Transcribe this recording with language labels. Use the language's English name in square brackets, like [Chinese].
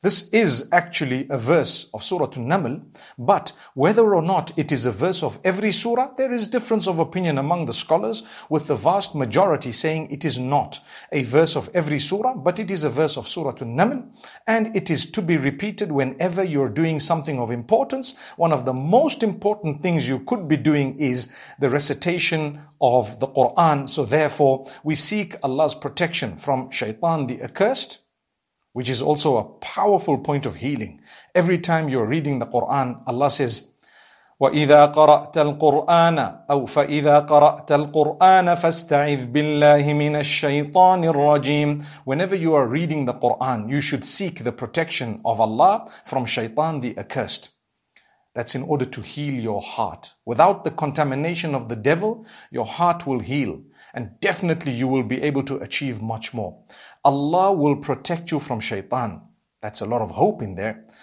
[English] This is actually a verse of Surah An-Naml, but whether or not it is a verse of every surah, there is difference of opinion among the scholars, with the vast majority saying it is not a verse of every surah, but it is a verse of Surah An-Naml, and it is to be repeated whenever you're doing something of importance. One of the most important things you could be doing is the recitation of the Quran. So therefore, we seek Allah's protection from Shaitan the accursed, which is also a powerful point of healing. Every time you're reading the Quran, Allah says, [Arabic] وَإِذَا قَرَأْتَ الْقُرْآنَ أَوْ فَإِذَا قَرَأْتَ الْقُرْآنَ فَاسْتَعِذْ بِاللَّهِ مِنَ الشَّيْطَانِ الرَّجِيمِ. [English] Whenever you are reading the Quran, you should seek the protection of Allah from Shaitan the accursed. That's in order to heal your heart. Without the contamination of the devil, your heart will heal, and definitely you will be able to achieve much more. Allah will protect you from shaitan. That's a lot of hope in there.